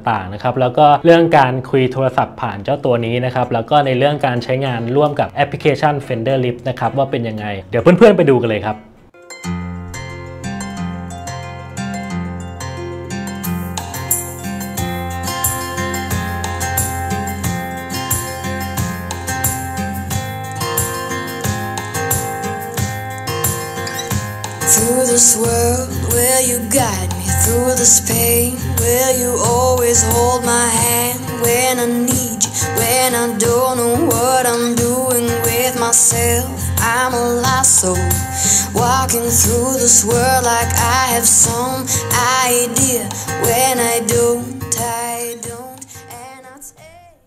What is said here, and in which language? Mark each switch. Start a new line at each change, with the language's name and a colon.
Thai: างๆนะครับแล้วก็เรื่องการคุยโทรศัพท์ผ่านเจ้าตัวนี้นะครับแล้วก็ในเรื่องการใช้งานร่วมกับแอปพลิเคชัน Fender Lift นะครับว่าเป็นยังไงเดี๋ยวเพื่อนๆไปดูกันเลยครับ
English: Through this world, will you guide me? Through this pain, will you always hold my hand? When I need you, when I don't know what I'm doing with myself, I'm a lost soul. Walking through this world like I have some idea. When I don't, I don't, and I say